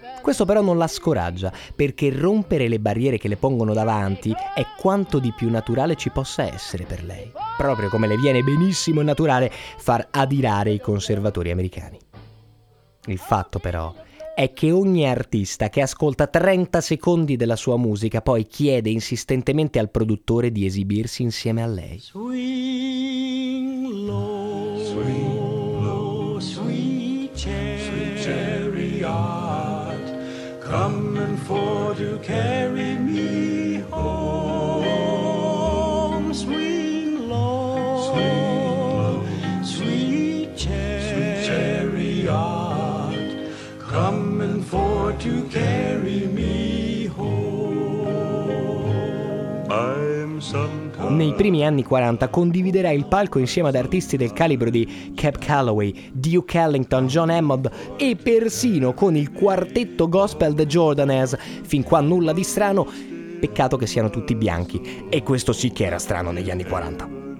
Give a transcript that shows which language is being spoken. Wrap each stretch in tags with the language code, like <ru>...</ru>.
<it>Questo però non la scoraggia, perché rompere le barriere che le pongono davanti è quanto di più naturale ci possa essere per lei, proprio come le viene benissimo naturale far adirare i conservatori americani. Il fatto però è che ogni artista che ascolta 30 secondi della sua musica poi chiede insistentemente al produttore di esibirsi insieme a lei.</it> <en>Swing low, swing low, sweet chariot, coming for to carry me home. Swing low, swing low, sweet chariot, come for to carry me home. I'm sometimes...</en> <it>Nei primi anni 40 condividerà il palco insieme ad artisti del calibro di Cab Calloway, Duke Ellington, John Hammond e persino con il quartetto gospel The Jordanes. Fin qua nulla di strano, peccato che siano tutti bianchi, e questo sì che era strano negli anni 40.</it>